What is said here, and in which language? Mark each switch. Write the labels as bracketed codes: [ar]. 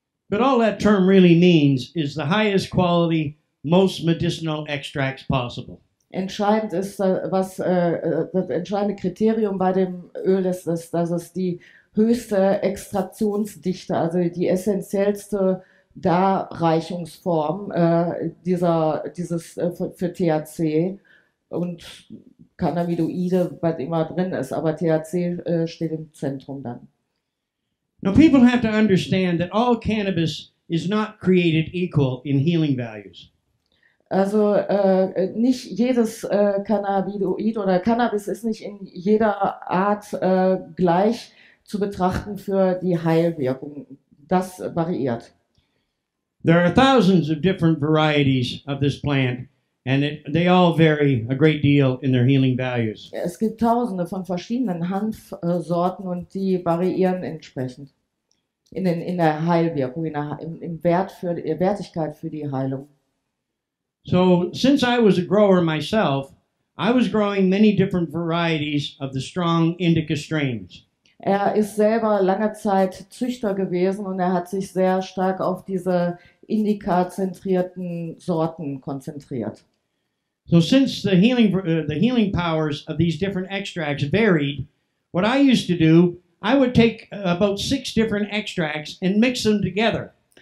[en] But all that term really means is the highest quality, most medicinal extracts possible. [de] Entscheidend ist, was das entscheidende Kriterium bei dem Öl ist, dass es die höchste Extraktionsdichte, also die essentiellste Darreichungsform für THC und Cannabinoide, was immer drin ist, aber THC steht im Zentrum dann. [en] Now people have to understand that all cannabis is not created equal in healing values. [de] Also nicht jedes Cannabinoid oder Cannabis ist nicht in jeder Art gleich zu betrachten für die Heilwirkung. Das variiert. [en] There are thousands of different varieties of this plant, and they all vary a great deal in their healing values. [de] Es gibt tausende von verschiedenen Hanfsorten und die variieren entsprechend in der Heilwirkung, im Wert für die Wertigkeit für die Heilung. [en] So, since I was a grower myself, I was growing many different varieties of the strong indica strains. [de] Er ist selber lange Zeit Züchter gewesen und er hat sich sehr stark auf diese Indica-zentrierten Sorten konzentriert. [en] So since the healing powers of these different extracts varied, what I used to do, I would take about 6 different extracts and mix them together.